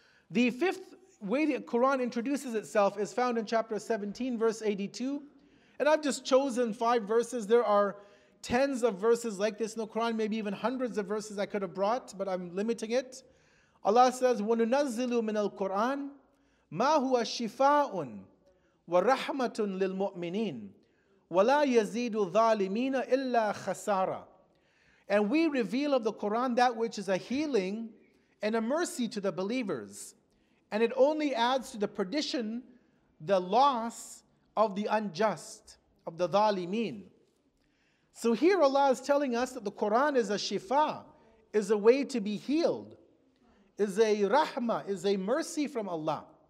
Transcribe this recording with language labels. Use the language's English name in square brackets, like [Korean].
[English] The fifth way the Quran introduces itself is found in chapter 17, verse 82. And I've just chosen five verses. There are tens of verses like this in the Quran, maybe even hundreds of verses I could have brought, but I'm limiting it. Allah says, [Arabic] وَنُنَزِّلُ مِنَ الْقُرْآنِ مَا هُوَ شِفَاءٌ وَرَحْمَةٌ لِلْمُؤْمِنِينَ وَلَا يَزِيدُ الظَّالِمِينَ إِلَّا خَسَارًا. [English] And we reveal of the Quran that which is a healing and a mercy to the believers. And it only adds to the perdition, the loss of the unjust, of the ظالمين. So here Allah is telling us that the Quran is a shifa, is a way to be healed, is a rahmah, is a mercy from Allah.